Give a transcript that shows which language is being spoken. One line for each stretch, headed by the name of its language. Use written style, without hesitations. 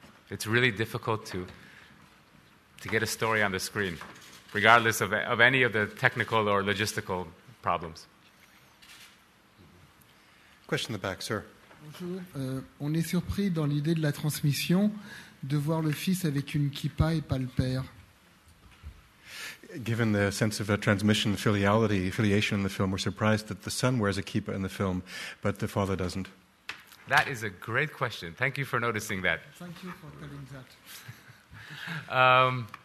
English: It's really difficult to get a story on the screen, regardless of any of the technical or logistical problems. Question in the back, sir.
French: Bonjour. On est surpris dans l'idée de la transmission de voir le fils avec une kippa et pas le père.
English: Given the sense of a transmission filiation in the film, we're surprised that the son wears a kippa in the film, but the father doesn't. That is a great question. Thank you for noticing that. Thank you for telling that.